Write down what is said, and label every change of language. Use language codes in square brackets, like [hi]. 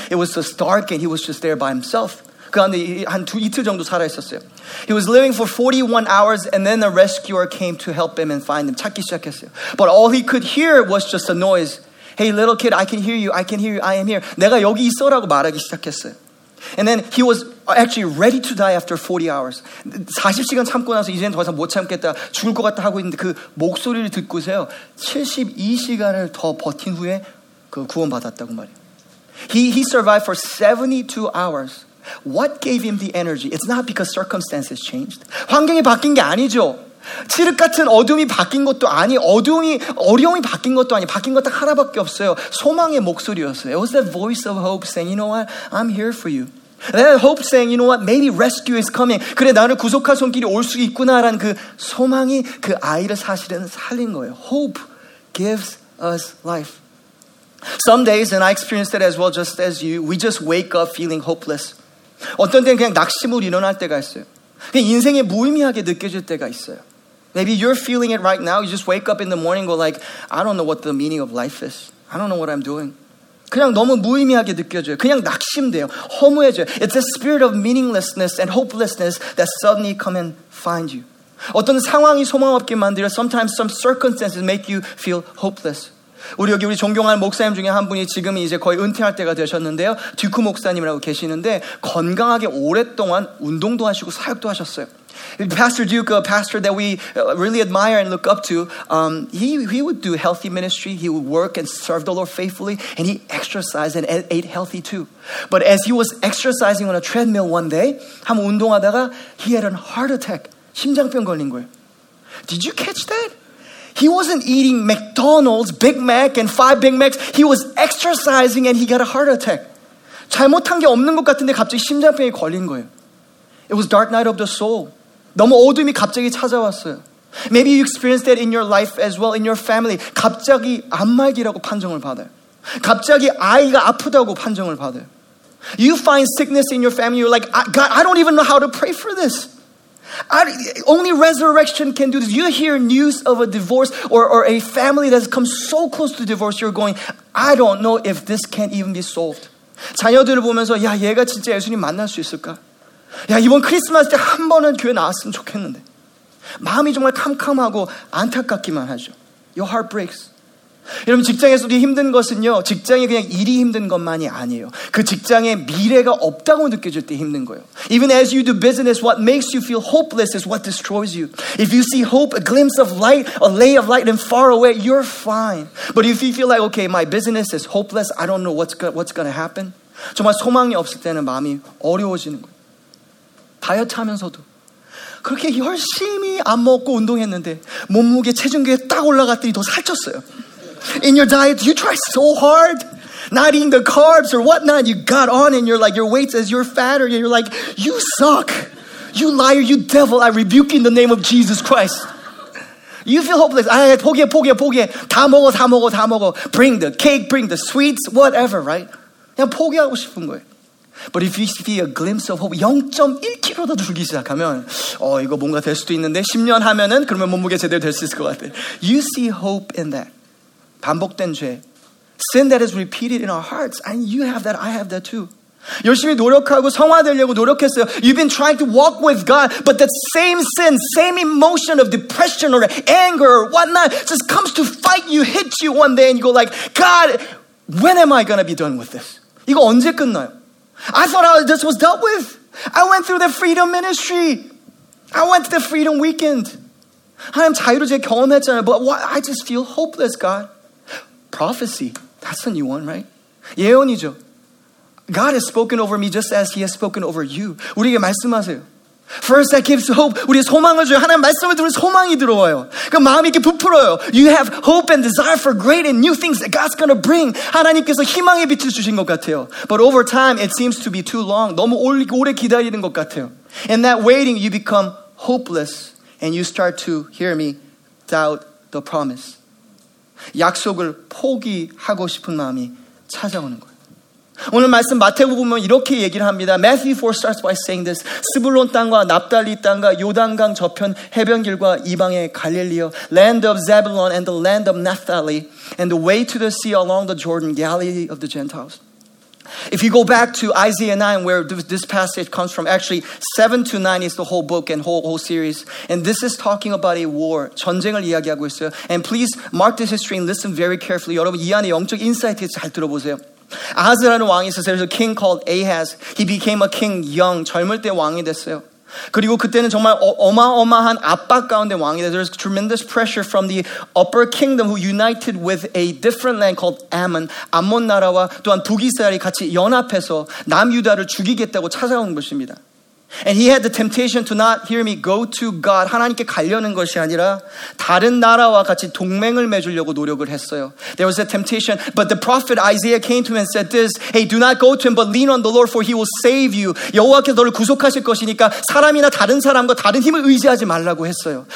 [en] It was just dark and he was just there by himself. [ko] 그 안에 한 이틀 정도 살아있었어요. [en] He was living for 41 hours and then a rescuer came to help him and find him. [ko] 찾기 시작했어요. [en] But all he could hear was just a noise. Hey, little kid, I can hear you. I can hear you. I am here. [ko] 내가 여기 있어라고 말하기 시작했어요. [en] And then he was actually ready to die after 40 hours. [ko] 40시간 참고 나서 이제는 더 이상 못 참겠다. 죽을 것 같다 하고 있는데 그 목소리를 듣고서요. 72시간을 더 버틴 후에 그 구원 받았다고 말해요. [en] He survived for 72 hours. What gave him the energy? It's not because circumstances changed. [ko] 환경이 바뀐 게 아니죠. 칠흑 같은 어둠이 바뀐 것도 아니, 어려움이 바뀐 것도 아니, 바뀐 것도 하나밖에 없어요. 소망의 목소리였어요. [en] It was the voice of hope saying, you know what? I'm here for you. That hope saying, you know what? Maybe rescue is coming. [ko] 그래, 나를 구속할 손길이 올 수 있구나라는 그 소망이 그 아이를 사실은 살린 거예요. [en] Hope gives us life. Some days, and I experienced it as well just as you, we just wake up feeling hopeless. [ko] 어떤 때는 그냥 낙심으로 일어날 때가 있어요. 그냥 인생이 무의미하게 느껴질 때가 있어요. [en] Maybe you're feeling it right now. You just wake up in the morning and go like, I don't know what the meaning of life is. I don't know what I'm doing. [ko] 그냥 너무 무의미하게 느껴져요. 그냥 낙심돼요. 허무해져요. [en] It's a spirit of meaninglessness and hopelessness that suddenly come and find you. [ko] 어떤 상황이 소망 없게 만들어 [en] sometimes some circumstances make you feel hopeless. [ko] 우리 여기 우리 존경하는 목사님 중에 한 분이 지금 이제 거의 은퇴할 때가 되셨는데요. 듀크 목사님이라고 계시는데 건강하게 오랫동안 운동도 하시고 사역도 하셨어요. [en] Pastor Duke, a pastor that we really admire and look up to, he would do healthy ministry. He would work and serve the Lord faithfully, and he exercised and ate healthy too. But as he was exercising on a treadmill one day, [ko] 한번 운동하다가 [en] he had a heart attack, [ko] 심장병 걸린 거예요. [en] Did you catch that? He wasn't eating McDonald's, Big Mac, and five Big Macs. He was exercising and he got a heart attack. [ko] 잘못한 게 없는 것 같은데 갑자기 심장병이 걸린 거예요. [en] It was dark night of the soul. [ko] 너무 어둠이 갑자기 찾아왔어요. [en] Maybe you experienced that in your life as well, in your family. [ko] 갑자기 암말기라고 판정을 받아요. 갑자기 아이가 아프다고 판정을 받아요. [en] You find sickness in your family. You're like, God, I don't even know how to pray for this. Only resurrection can do this. You hear news of a divorce or a family that's come so close to divorce, you're going, I don't know if this can even be solved. [ko] 자녀들을 보면서, 야, 얘가 진짜 예수님 만날 수 있을까? 야, 이번 크리스마스 때 한 번은 교회 나왔으면 좋겠는데. 마음이 정말 캄캄하고 안타깝기만 하죠. [en] Your heart breaks. [ko] 여러분, 직장에서도 힘든 것은요, 직장이 그냥 일이 힘든 것만이 아니에요. 그 직장에 미래가 없다고 느껴질 때 힘든 거예요. [en] Even as you do business, what makes you feel hopeless is what destroys you. If you see hope, a glimpse of light, a ray of light, and far away, you're fine. But if you feel like, okay, my business is hopeless, I don't know what's going to happen. [ko] 정말 소망이 없을 때는 마음이 어려워지는 거예요. 다이어트 하면서도 그렇게 열심히 안 먹고 운동했는데 몸무게 체중계에 딱 올라갔더니 더 살쪘어요. [en] In your diet, you try so hard not eating the carbs or whatnot. You got on and you're like, your weight says you're fatter. You're like, you suck. You liar, you devil. I rebuke you in the name of Jesus Christ. You feel hopeless. [ko] 아, 포기해, 포기해, 포기해. 다 먹어, 다 먹어, 다 먹어. [en] Bring the cake, bring the sweets, whatever, right? [ko] 그냥 포기하고 싶은 거예요. [en] But if you see a glimpse of hope, [ko] 0.1kg도 줄기 시작하면 이거 뭔가 될 수도 있는데 10년 하면은 그러면 몸무게 제대로 될 수 있을 것 같아. [en] You see hope in that. [ko] 반복된 죄. [en] Sin that is repeated in our hearts. And you have that, I have that too. [ko] 열심히 노력하고 성화되려고 노력했어요. [en] You've been trying to walk with God, but that same sin, same emotion of depression or anger or whatnot just comes to fight you, hit you one day and you go like, God, when am I gonna be done with this? [ko] 이거 언제 끝나요? [en] I thought this was dealt with. I went through the freedom ministry. I went to the freedom weekend. [ko] 하나님 자유를 제가 경험했잖아요. [en] But why? I just feel hopeless, God. Prophecy. That's a new one, right? [ko] 예언이죠. [en] God has spoken over me just as he has spoken over you. [ko] 우리에게 말씀하세요. [en] First, that gives hope. [ko] 우리의 소망을 줘요. 하나님 말씀을 들으면 소망이 들어와요. 그 마음이 이렇게 부풀어요. [en] You have hope and desire for great and new things that God's going to bring. [ko] 하나님께서 희망의 빛을 주신 것 같아요. [en] But over time, it seems to be too long. [ko] 너무 오래 기다리는 것 같아요. [en] In that waiting, you become hopeless and you start to, hear me, doubt the promise. [ko] 약속을 포기하고 싶은 마음이 찾아오는 거예요. 오늘 말씀 마태복음 보면 이렇게 얘기를 합니다. [en] Matthew 4 starts by saying this. [ko] 스불론 땅과 납달리 땅과 요단강 저편 해변길과 이방의 갈릴리여 [en] Land of Zebulun and the land of Naphtali and the way to the sea along the Jordan, Galilee of the Gentiles. If you go back to Isaiah 9 where this passage comes from, actually 7 to 9 is the whole book and whole series. And this is talking about a war. [ko] 전쟁을 이야기하고 있어요. [en] And please mark this history and listen very carefully. [ko] 여러분 이 안에 영적 인사이트 잘 들어보세요. 아하스라는 왕이 있어요. [en] There's a king called Ahaz. He became a king young. [ko] 젊을 때 왕이 됐어요. 그리고 그때는 정말 어마어마한 압박 가운데 왕이 됐어요. [en] There's tremendous pressure from the upper kingdom who united with a different land called Ammon. [ko] 암몬 나라와 또한 북이스라엘이 같이 연합해서 남유다를 죽이겠다고 찾아온 것입니다. [en] And he had the temptation to not, hear me, go to God. [ko] 하나님께 가려는 것이 아니라 다른 나라와 같이 동맹을 맺으려고 노력을 했어요. [en] There was a temptation. But the prophet Isaiah came to him and said this, Hey, do not go to him, but lean on the Lord, for he will save you. [ko] 여호와께서 너를 구속하실 것이니까 사람이나 다른 사람과 다른 힘을 의지하지 말라고 했어요.